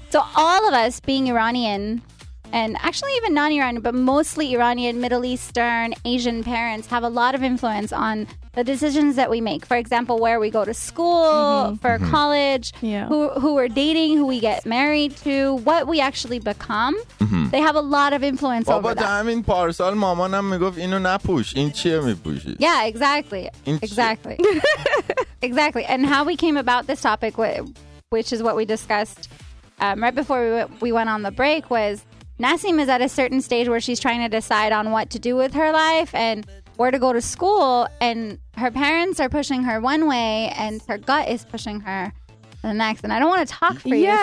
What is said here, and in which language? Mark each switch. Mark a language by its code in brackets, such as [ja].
[en] So all of us being Iranian, and actually even non-Iranian, but mostly Iranian, Middle Eastern, Asian parents have a lot of influence on the decisions that we make. For example, where we go to school, mm-hmm. for mm-hmm. college, yeah. who we're dating, who we get married to, what we actually become. Mm-hmm. They have a lot of influence [fa] بابا [en] over that. [fa] بابا همین پارسال مامانم میگفت اینو نپوش. این چیه میپوشی؟ [en] Yeah, exactly. Exactly. Exactly. And how we came about this topic, which is what we discussed right before we went on the break, was Nasim is at a certain stage where she's trying to decide on what to do with her life and where to go to school, and her parents are pushing her one way and her gut is pushing her the next, and I don't want to talk for you.